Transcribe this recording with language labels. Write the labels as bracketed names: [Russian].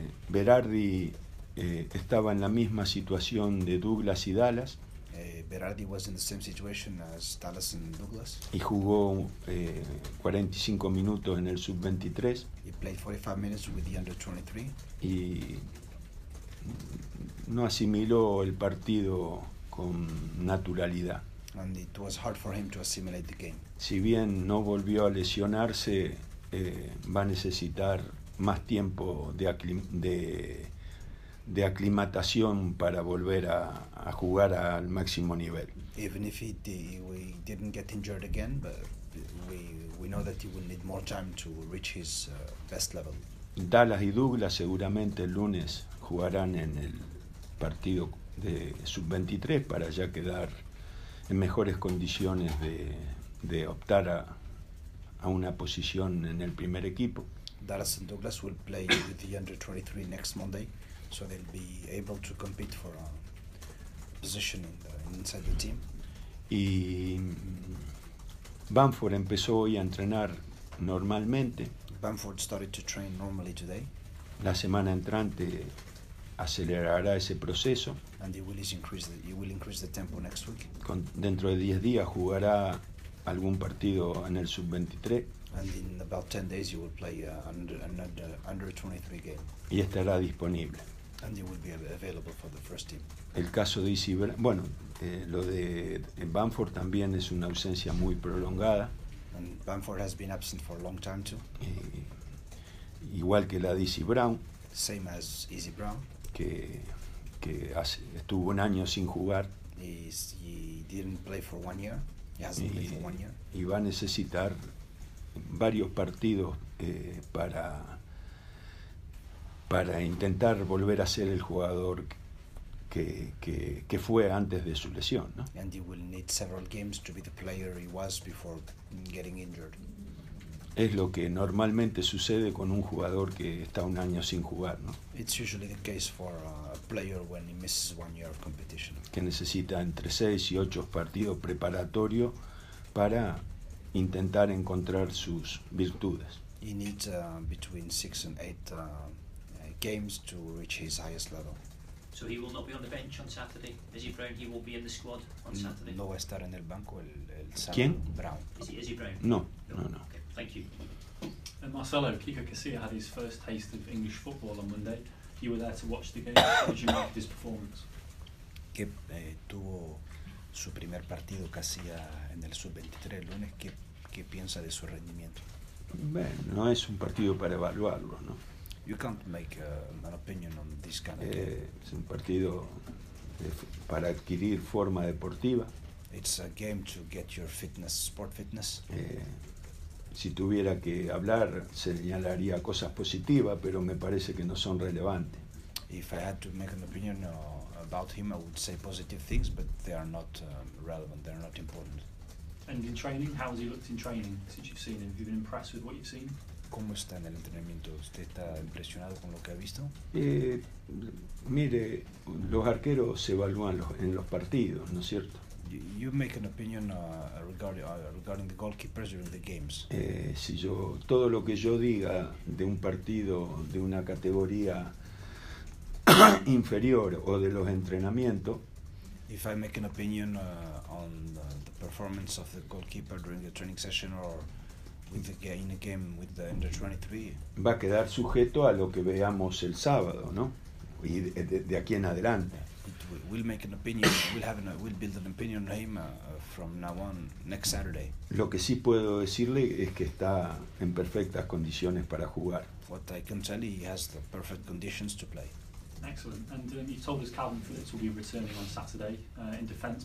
[Spanish] Berardi estaba en la misma situación de Douglas y Dallas. [English] Berardi was in the same situation as Dallas and Douglas. [Spanish] Y jugó 45 minutos en el sub 23. [English] He played 45 minutes with the under 23. [Spanish] Y no asimiló el partido con naturalidad. [English] And it was hard for him to assimilate the game. [Spanish] Si bien no volvió a lesionarse, va a necesitar más tiempo de aclimatación para volver a jugar al máximo nivel. [English] Even if he didn't get injured again, but we know that he will need more time to reach his best level. [Spanish] Dallas y Douglas seguramente el lunes jugarán en el partido de sub 23 para ya quedar en mejores condiciones de optar a una posición en el primer equipo. [English] Dallas and Douglas will play with the under 23 next Monday. So they'll be able to compete for a position inside the team. [Spanish] Y Bamford empezó hoy a entrenar normalmente. [English] Bamford started to train normally today. [Spanish] La semana entrante acelerará ese proceso. [English] And he will increase the tempo next week. [Spanish] Dentro de 10 días jugará algún partido en el sub 23. [English] And in about 10 days he will play under 23 game. [Spanish] Y estará disponible. [English] And he will be available for the first team. [Spanish] El caso de Izzy Brown, bueno, lo de Bamford también es una ausencia muy prolongada. [English] And Bamford has been absent for a long time too. [Spanish] Igual que la de Izzy Brown. [English] Same as Izzy Brown. [Spanish] Que estuvo un año sin jugar. [English] He didn't play for 1 year. He hasn't played for 1 year. [Spanish] Y va a necesitar varios partidos para intentar volver a ser el jugador que fue antes de su lesión, ¿no? [English] And he will need several games to be the player he was before getting injured. [Spanish] Es lo que normalmente sucede con un jugador que está un año sin jugar, ¿no? [English] It's usually the case for a player when he misses 1 year of competition. [Spanish] Que necesita entre 6 y 8 partidos preparatorios para intentar encontrar sus virtudes. [English] He needs between 6 and 8 games to reach his highest level. So he will not be on the bench on Saturday. Izzy Brown, he will be in the squad on Saturday. [Spanish] No va a estar en el banco el sábado. ¿Quién? Brown. Izzy Brown. No. [English] Okay, thank you. And Marcelo, Kiko Casilla had his first taste of English football on Monday. You were there to watch the game. How did you make his performance? [Spanish] Que tuvo su primer partido que hacía en el sub-23 el lunes, ¿qué piensa de su rendimiento? Bueno, no es un partido para evaluarlo, ¿no? [English] You can't make an opinion on this kind of game. [Spanish] Es un partido para adquirir forma deportiva. [English] It's a game to get your fitness, sport fitness. [Spanish] Si tuviera que hablar, señalaría cosas positivas, pero me parece que no son relevantes. [English] If I had to make an opinion about him, I would say positive things, but they are not relevant, they are not important. And in training, how has he looked in training since you've seen him? Have you been impressed with what you've seen? [Spanish] ¿Cómo está en el entrenamiento? ¿Usted está impresionado con lo que ha visto? Mire, los arqueros se evalúan en los partidos, ¿no es cierto? [English] You make an opinion regarding the goalkeepers during the games. [Spanish] Si yo todo lo que yo diga de un partido de una categoría inferior o de los entrenamientos. [English] If I make an opinion on the performance of the goalkeeper during the training session or with the in a game with the under 23. [Spanish] Va a quedar sujeto a lo que veamos el sábado, ¿no? Y de aquí en adelante. [English] We'll make an opinion. We'll build an opinion on him from now on, next Saturday. [Spanish] Lo que sí puedo decirle es que está en perfectas condiciones para jugar. [English] What I can tell you, he has the perfect conditions to play. Excellent. And you told us Calvin Phillips will be returning on Saturday in defence.